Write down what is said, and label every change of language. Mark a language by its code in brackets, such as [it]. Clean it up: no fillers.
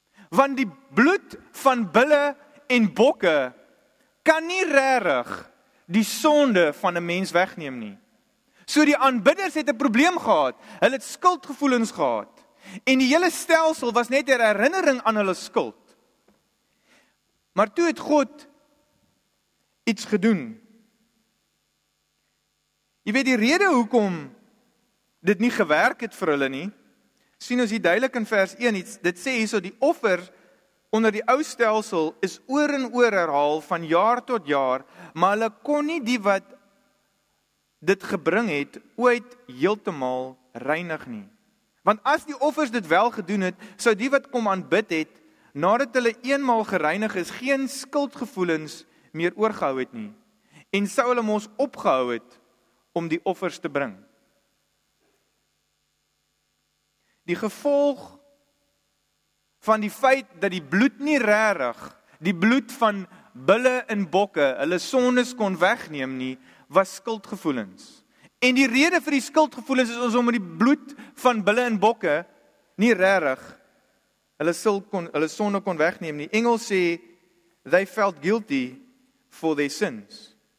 [af] Want die bloed van bulle en bokke kan nie regtig die sonde van 'n mens wegneem nie. So die aanbidders het 'n probleem gehad, hulle het skuldgevoelens gehad, en die hele stelsel was net 'n herinnering aan hulle skuld. Maar toe het God iets gedoen. Jy weet die rede hoekom dit nie gewerk het vir hulle nie, sien ons hier duidelik in vers 1, dit sê hierso die offer onder die ou stelsel is oor en oor herhaal van jaar tot jaar, maar hulle kon nie die wat dit gebring het, ooit heeltemal reinig nie. Want as die offers dit wel gedoen het, sou die wat kom aanbid het, nadat hulle eenmaal gereinig is, geen skuldgevoelens meer oorgehou het nie. En sou hulle mos opgehou het, om die offers te bring. Die gevolg van die feit dat die bloed nie regtig, die bloed van bulle en bokke, hulle sondes kon wegneem nie, was skuldgevoelens. En die rede vir die skuldgevoelens is ons om die bloed van bulle en bokke nie regtig hulle sonde kon wegneem nie. Engels sê, [en] they felt guilty for their sins.